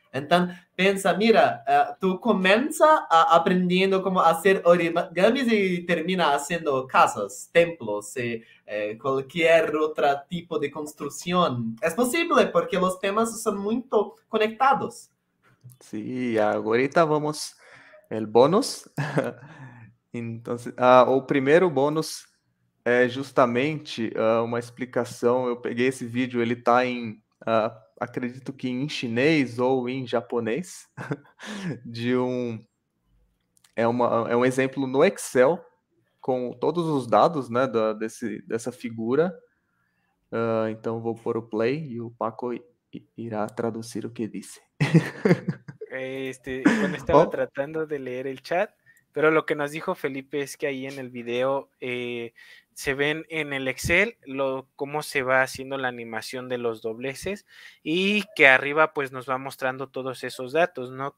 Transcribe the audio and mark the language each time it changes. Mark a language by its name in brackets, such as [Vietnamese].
[Spanish] Entonces, piensa, mira, tú comienzas aprendiendo cómo hacer origamis y terminas haciendo casas, templos, cualquier otro tipo de construcción. Es posible porque los temas son muy conectados. Sí, ahorita vamos el bonus. [Portuguese] Entonces, o primeiro bônus é justamente uma explicação. Eu peguei esse vídeo, ele está em, acredito que em chinês ou em japonês, de um, é um exemplo no Excel com todos os dados, né, dessa figura. Então vou pôr o play e o Paco irá traduzir o que disse. Quando estava tratando de ler [Spanish] el chat. Pero lo que nos dijo Felipe es que ahí en el video se ven en el Excel cómo se va haciendo la animación de los dobleces y que arriba pues nos va mostrando todos esos datos, ¿no?